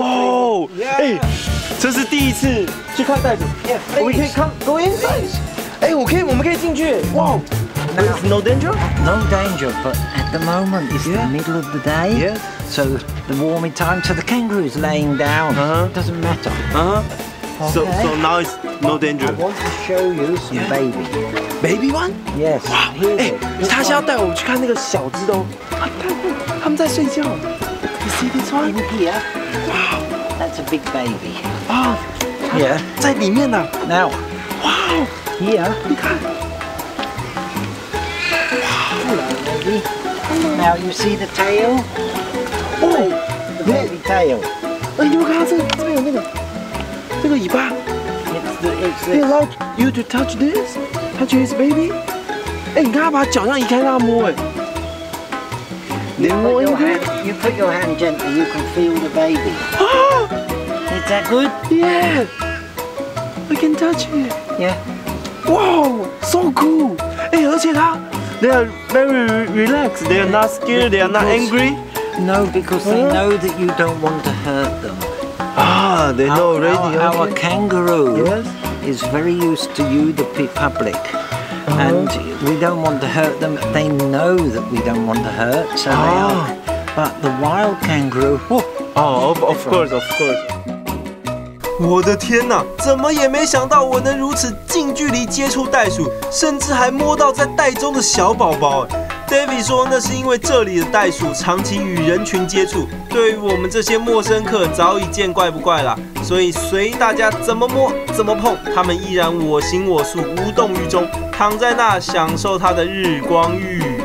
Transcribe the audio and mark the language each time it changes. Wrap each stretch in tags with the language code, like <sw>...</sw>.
<en>Oh, hey,</en> <zh>这是第一次去看袋鼠。</zh> <en>Yeah, we can come go inside.</en> <zh>哎，我可以，我们可以进去。</zh> <en>Wow, there's no danger. No danger, but at the moment it's the middle of the day. Yeah. So the warming time, so the kangaroo is laying down. Uh-huh. Doesn't matter. Uh-huh. Okay. So now it's no danger. I want to show you some baby. Baby one? Yes. Wow.</en> <zh>哎，他是要带我去看那个小只的哦。他们在睡觉。</zh> <en>You see this one? In here. Wow. That's a big baby. Oh. Yeah.</en> <zh>在里面呢。</zh> <en>Now. Wow. Here.</en> <zh>你看。</zh> <en>Hello, baby. Now you see the tail? Oh. The baby tail.</en> <zh>哎，你们看，这边有那个，这个尾巴。</zh> <en>It's the. They like you to touch this? Touch his baby?</en> <zh>哎，你看他把脚上移开，让他摸哎。</zh> <en>You put your hand gently, you can feel the baby. Is that good? Yeah. I can touch it. Yeah. Wow, so cool. Hey,</en> <zh>而且它,</zh> <en>they are very relaxed. They are not scared. They are not angry. No, because they know that you don't want to hurt them. Ah, they know already. Our kangaroo is very used to you, the public. And we don't want to hurt them. They know that we don't want to hurt, so they are. But the wild kangaroo, of course.</en> <zh>我的天哪，怎么也没想到我能如此近距离接触袋鼠，甚至还摸到在袋中的小宝宝。 David 说那是因为这里的袋鼠长期与人群接触，对于我们这些陌生客早已见怪不怪了，所以随大家怎么摸怎么碰，他们依然我行我素，无动于衷，躺在那享受他的日光浴。</zh>